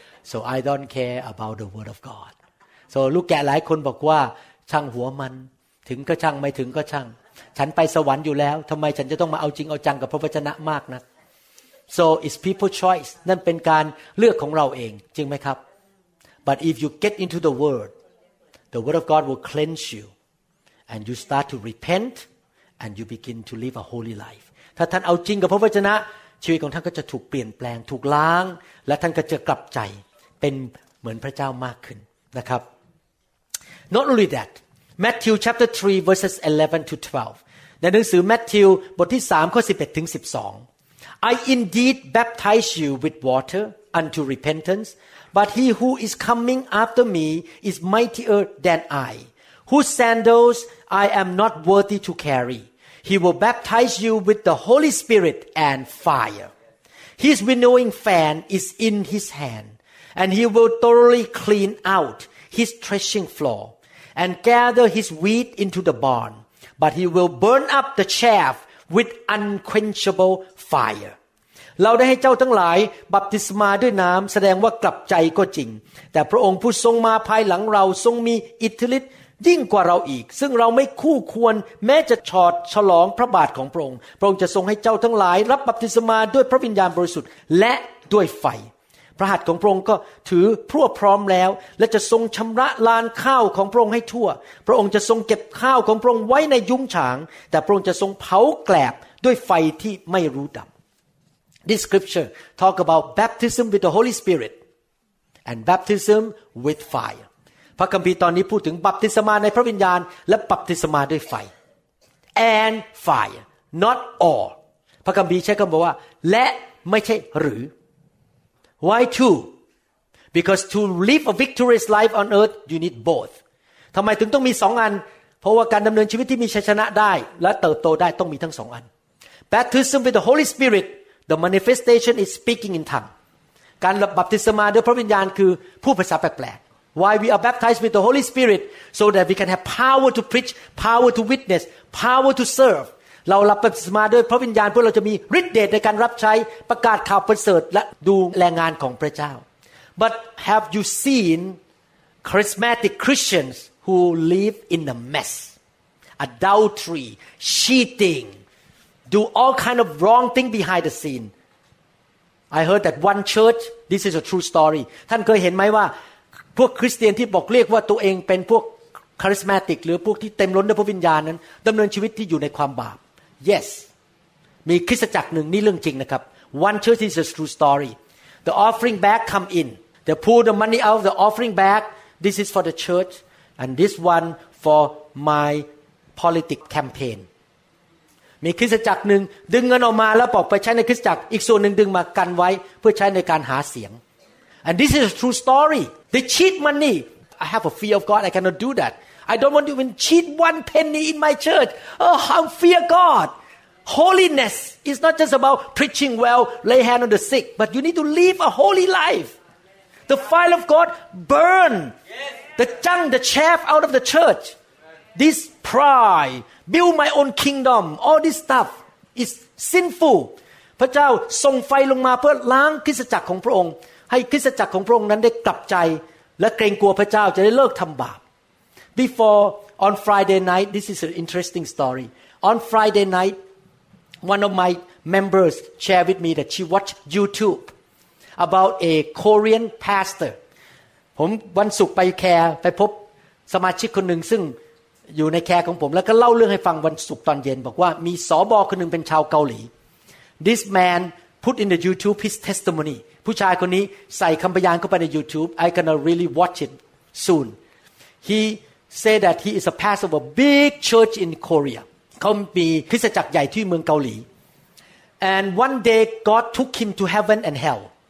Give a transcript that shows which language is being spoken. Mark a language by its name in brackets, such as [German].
[English] So I don't care about the word of God. [Thai] So ลูกแกะหลายคนบอกว่าช่างหัวมันถึงก็ช่างไม่ถึงก็ช่างฉันไปสวรรค์อยู่แล้วทำไมฉันจะต้องมาเอาจริงเอาจังกับพระวจนะมากนัก [English] So it's people's choice. [Thai] นั่นเป็นการเลือกของเราเองจริงไหมครับ [English] But if you get into the word of God will cleanse you. And you start to repent and you begin to live a holy life. [Thai] ถ้าท่านเอาจริงกับพระวจนะชีวิตของท่านก็จะถูกเปลี่ยนแปลงถูกล้างและท่านก็จะกลับใจเป็นเหมือนพระเจ้ามากขึ้นนะครับ [English] Not only that. Matthew chapter 3 verses 11 to 12. [Thai] ในหนังสือ Matthew บทที่3ข้อ11ถึง12. [English] I indeed baptize you with water unto repentance, but he who is coming after me is mightier than I, whose sandals I am not worthy to carry. He will baptize you with the Holy Spirit and fire. His winnowing fan is in his hand, and he will thoroughly clean out his threshing floor. And gather his wheat into the barn, but he will burn up the chaff with unquenchable fire. [Thai] เราได้ให้เจ้าทั้งหลายบัพติศมาด้วยน้ำแสดงว่ากลับใจก็จริงแต่พระองค์ผู้ทรงมาภายหลังเราทรงมีอิทธิฤทธิ์ยิ่งกว่าเราอีกซึ่งเราไม่คู่ควรแม้จะฉอดฉลองพระบาทของพระองค์พระองค์จะทรงให้เจ้าทั้งหลายรับบัพติศมาด้วยพระวิญญาณบริสุทธิ์และด้วยไฟพระหัตถ์ของพระองค์ก็ถือพรั่วพร้อมแล้วและจะทรงชำระลานข้าวของพระองค์ให้ทั่วพระองค์จะทรงเก็บข้าวของพระองค์ไว้ในยุ้งฉางแต่พระองค์จะทรงเผาแกลบด้วยไฟที่ไม่รู้ดับ [English] This scripture talk about baptism with the Holy Spirit and baptism with fire [Thai] พระคัมภีร์ตอนนี้พูดถึงบัพติศมาในพระวิญญาณและบัพติศมาด้วยไฟ [English] and fire not all [Thai] พระคัมภีร์ใช้คำว่าและไม่ใช่หรือ [English] Why two? Because to live a victorious life on earth, you need both. [Thai] ทำไมถึงต้องมีสองอันเพราะว่าการดำเนินชีวิตที่มีชัยชนะได้และเติบโตได้ต้องมีทั้งสองอัน [English] Baptism with the Holy Spirit, the manifestation is speaking in tongues. [Thai] การรับบัพติศมาด้วยพระวิญญาณคือพูดภาษาแปลก [English] ๆ Why we are baptized with the Holy Spirit so that we can have power to preach, power to witness, power to serve. [Thai] เรารับบัพติศมาด้วยพระวิญญาณเพื่อเราจะมีฤทธิ์เดชในการรับใช้ประกาศข่าวประเสริฐและดูแรงงานของพระเจ้า [English] But have you seen charismatic Christians who live in a mess adultery cheating do all kind of wrong thing behind the scene I heard that one church this is a true story [Thai] ท่านเคยเห็นไหมว่าพวกคริสเตียนที่บอกเรียกว่าตัวเองเป็นพวกคาริสมาติกหรือพวกที่เต็มล้นด้วยพระวิญญาณนั้นดำเนินชีวิตที่อยู่ในความบาป [English] Yes, [Thai] มีคริสตจักรหนึ่งนี่เรื่องจริงนะครับ [English] One church is a true story. The offering bag come in. They pull the money out of the offering bag. This is for the church, and this one for my politic campaign. [Thai] มีคริสตจักรหนึ่งดึงเงินออกมาแล้วบอกไปใช้ในคริสตจักรอีกส่วนหนึ่งดึงมากันไว้เพื่อใช้ในการหาเสียง [English] And this is a true story. They cheat money. I have a fear of God. I cannot do that. I don't want to even cheat one penny in my church. Oh, I fear God. Holiness is not just about preaching well, lay hand on the sick, but you need to live a holy life. The fire of God burn the junk, the chaff out of the church. This pride, build my own kingdom, all this stuff is sinful. [Thai] พระเจ้าส่งไฟลงมาเพื่อล้างคริสตจักรของพระองค์ให้คริสตจักรของพระองค์นั้นได้กลับใจและเกรงกลัวพระเจ้าจะได้เลิกทำบาป [English] Before, on Friday night, this is an interesting story. On Friday night, one of my members shared with me that she watched YouTube about a Korean pastor. [Thai] ผมวันศุกร์ไปแคร์ไปพบสมาชิกคนหนึ่งซึ่งอยู่ในแคร์ของผมแล้วก็เล่าเรื่องให้ฟังวันศุกร์ตอนเย็นบอกว่ามีสบคนหนึ่งเป็นชาวเกาหลี [English] This man put in the YouTube his testimony. [Thai] ผู้ชายคนนี้ใส่คำพยานเข้าไปใน YouTube. [English] I'm gonna really watch it soon. HeSay that he is a pastor of a big church in Korea. [Thai] เขามีคริสตจักรใหญ่ที่เมืองเกาหลี [English] And one day God took him to heaven and hell.